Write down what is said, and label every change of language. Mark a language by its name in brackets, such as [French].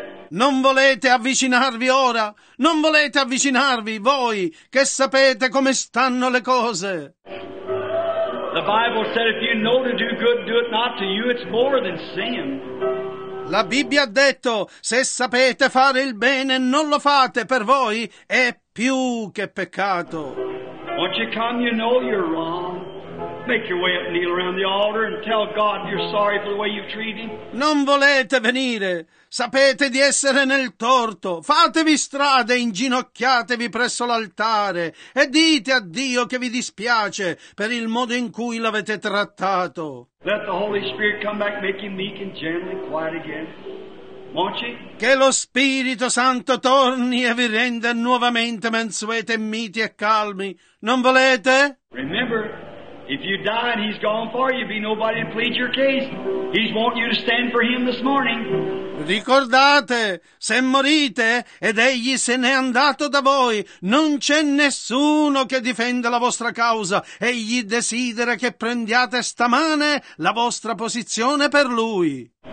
[Italian] Non volete avvicinarvi ora? Non volete avvicinarvi voi che sapete come stanno le cose? [English] The Bible said if you know to do good, do it not to you, it's more than sin. [Italian] La Bibbia ha detto, se sapete fare il bene, non lo fate per voi, è più che peccato. [English] Won't you come, you know you're wrong. Make your way up, kneel around the altar and tell God you're sorry for the way you've treated him. [Italian] Non volete venire, sapete di essere nel torto. Fatevi strada, inginocchiatevi presso l'altare e dite a Dio che vi dispiace per il modo in cui l'avete trattato. [English] Let the Holy Spirit come back, make him meek and gentle and quiet again. Won't you? [Italian] Che lo Spirito Santo torni e vi renda nuovamente mansuete, miti e calmi. Non volete? [English] Remember, if you die and he's gone for you, be nobody to plead your case. He's wanting you to stand for him this morning. [Italian] Ricordate, se morite ed egli se n'è andato da voi, non c'è nessuno che difenda la vostra causa. Egli desidera che prendiate stamane la vostra posizione per lui.